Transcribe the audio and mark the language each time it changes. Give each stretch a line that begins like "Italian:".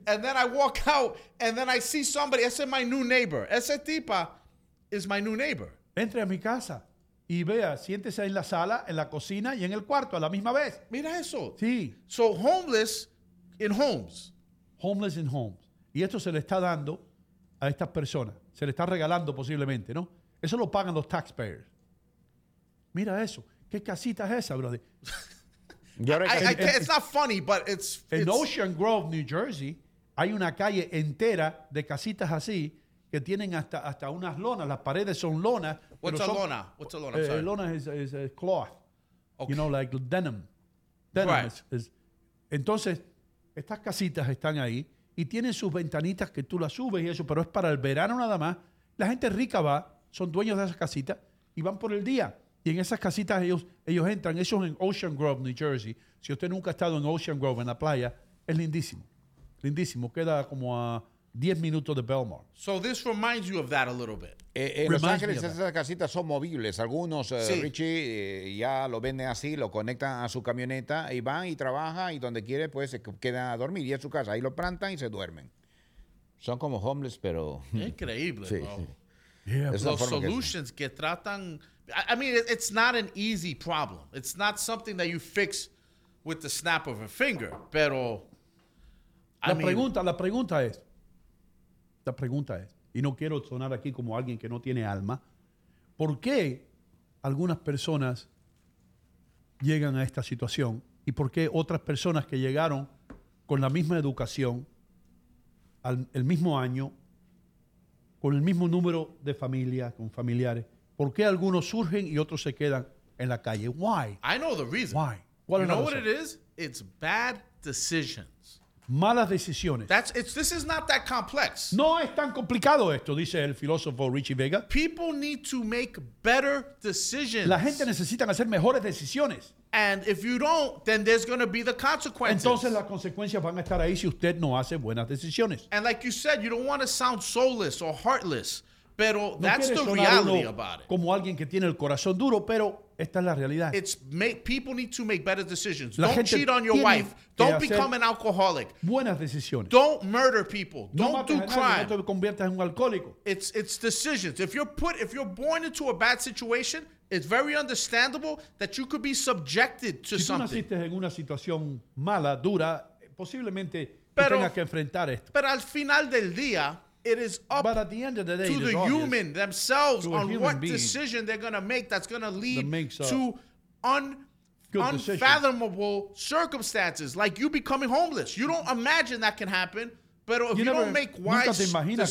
English: And then I walk out, and then I see somebody.
Spanish: Ese es
English: my new neighbor.
Spanish: Ese tipa
English: is my new neighbor.
Spanish: Entre a mi casa y vea, siéntese en la sala, en la cocina y en el cuarto a la misma vez. Mira eso. Sí.
English: So homeless in homes. Homeless in homes.
Spanish: Y esto se le está dando a estas personas. Se le está regalando posiblemente, ¿no? Eso lo pagan los taxpayers. Mira eso. ¿Qué casita es esa, brother?
English: It's not funny, but it's...
Spanish: En Ocean Grove, New Jersey, hay una calle entera de casitas así que tienen hasta unas lonas. Las paredes son lonas.
English: What's a lona? Sorry. Lona is a cloth. Okay. You know, like denim. Denim. Right.
Spanish: Entonces, estas casitas están ahí y tienen sus ventanitas que tú las subes y eso, pero es para el verano nada más. La gente rica va, son dueños de esas casitas y van por el día. Y en esas casitas ellos entran, eso es en Ocean Grove, New Jersey. Si usted nunca ha estado en Ocean Grove, en la playa, es lindísimo. Lindísimo. Queda como a 10 minutos de Belmar.
English: So this reminds you of that a little bit.
Spanish: En Los Ángeles esas casitas son movibles. Algunos, sí. Richie, ya lo venden así, lo conectan a su camioneta y van y trabajan y donde quiere, pues, se quedan a dormir. Y es su casa. Ahí lo plantan y se duermen. Son como homeless, pero... Increíble, sí, bro. Sí. Yeah, los solutions que tratan...
English: I mean, it's not an easy problem. It's not something that you fix with the snap of a finger, pero...
Spanish: La pregunta es, y no quiero sonar aquí como alguien que no tiene alma, ¿por qué algunas personas llegan a esta situación y por qué otras personas que llegaron con la misma educación, el mismo año, con el mismo número de familia, con familiares, ¿por qué algunos surgen y otros se quedan en la calle?
English: Why? I know the reason. Why?
Spanish: ¿Cuál es la razón?
English: You know what it is? It's bad decisions.
Spanish: Malas decisiones.
English: This is not that complex.
Spanish: No es tan complicado esto, dice el filósofo Richie Vega.
English: People need to make better decisions.
Spanish: La gente necesita hacer mejores decisiones.
English: And if you don't, then there's going to be the consequences.
Spanish: Entonces las consecuencias van a estar ahí si usted no hace buenas decisiones.
English: And like you said, you don't want to sound soulless or heartless.
Spanish: Pero
English: that's the reality about it.
Spanish: Como alguien que tiene el corazón duro, pero esta es la realidad.
English: People need to make better decisions. Don't cheat on your wife. Don't become an alcoholic.
Spanish: Buenas decisiones.
English: Don't murder people. Don't do crime.
Spanish: No te conviertas en un alcohólico.
English: It's decisions. If you're born into a bad situation, it's very understandable that you could be subjected to something.
Spanish: Si tú naciste en una situación mala, dura, posiblemente tengas que enfrentar esto. Pero al final del día...
English: It is up but at the end of the day, to the human themselves to on human what being. Decision they're going to make that's going to lead to unfathomable decision. Circumstances, like you becoming homeless. You don't imagine that can happen, but if you don't make wise decisions,